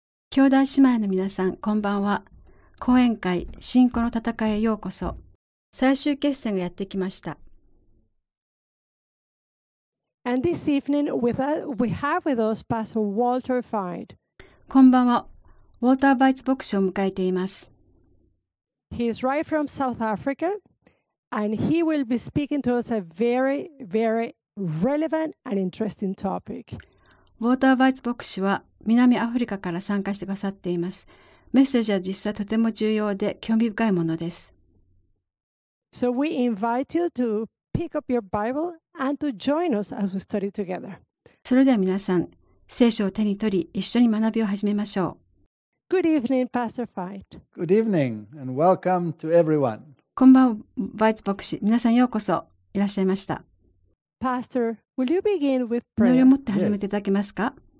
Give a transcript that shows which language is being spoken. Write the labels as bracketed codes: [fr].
[ja] 兄弟姉妹の皆さん、こんばんは。講演会、信仰の戦いへようこそ。最終決戦がやってきました。 [en] And this evening, we have with us Pastor Walter Fein. [ja] こんばんは。ウォルター・ヴァイツ牧師を迎えています。 [en] He is right from South Africa. And he will be speaking to us a very, very relevant and interesting topic. [ja] ウォーター・ヴァイツ牧師は南アフリカから参加してくださっています。メッセージは実際とても重要で興味深いものです。 [en] So we invite you to pick up your Bible and to join us as we study together. [ja] それでは皆さん、聖書を手に取り一緒に学びを始めましょう。 [en] Good evening, Pastor Fein. Good evening and welcome to everyone. [ja] こんばんは、ヴァイツ牧師。皆さんようこそいらっしゃいました。 [en] Pastor, will you begin with prayer? [ja] 祈りを持って始めていただけますか。